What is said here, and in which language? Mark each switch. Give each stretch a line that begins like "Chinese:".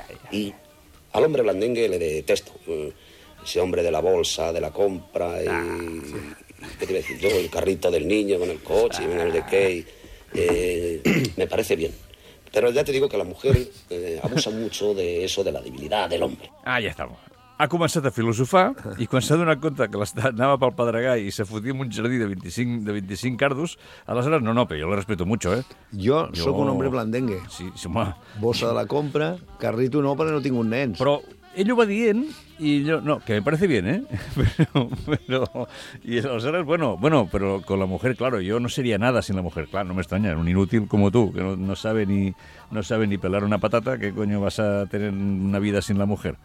Spanish: Y al hombre blandengue le detesto. Ese hombre de la bolsa, de la compra y... ¿Qué te iba a decir? Yo, el carrito del niño con el coche, y el de qué... me parece bien. Pero ya te digo que la mujer abusa mucho de eso, de la debilidad del hombre.
Catalan: Ah, ja està. Ha començat a filosofar i quan s'ha donat compte que anava pel pedregar i se fotia en un jardí de 25 cardos, aleshores, no, però jo la
Spanish: respeto mucho,
Catalan: eh? Jo sóc un hombre blandengue. Sí, home. Bossa de la compra, carrito no, perquè no tinc un nens. Però ell ho va dient i jo...
Spanish: No, que me parece bien, eh? Pero... Y aleshores, bueno, pero con la mujer, claro, yo no sería nada sin la mujer. Claro, no me extraña, un inútil como tú, que no sabe ni pelar una patata, ¿qué coño vas a tener una vida sin la mujer?